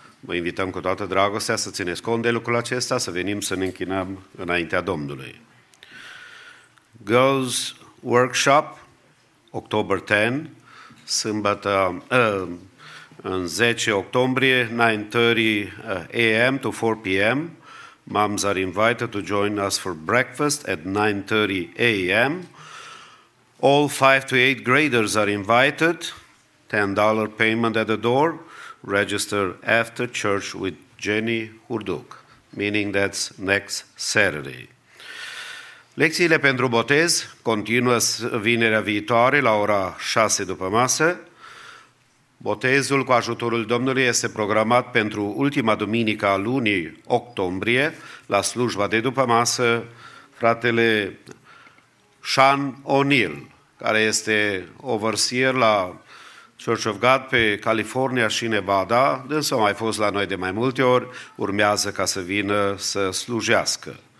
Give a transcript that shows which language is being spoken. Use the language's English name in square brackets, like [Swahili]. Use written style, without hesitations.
[Romanian] Vă invităm cu toată dragostea să țineți cont de lucrul acesta, să venim să ne închinăm înaintea Domnului. [English] Girls Workshop, October 10, [Romanian] sâmbătă, în 10 octombrie, [English] 9:30 a.m. to 4 p.m., moms are invited to join us for breakfast at 9:30 a.m. All 5 to 8 graders are invited. $10 payment at the door. Register after church with Jenny Hurduc, meaning that's next Saturday. [Romanian] Lecțiile pentru botez continuă vinerea viitoare la ora 6 după masă. Botezul cu ajutorul Domnului este programat pentru ultima duminică a lunii octombrie la slujba de după masă fratele Sean O'Neill, care este overseer la Church of God pe California și Nevada, însă a mai fost la noi de mai multe ori, urmează ca să vină să slujească.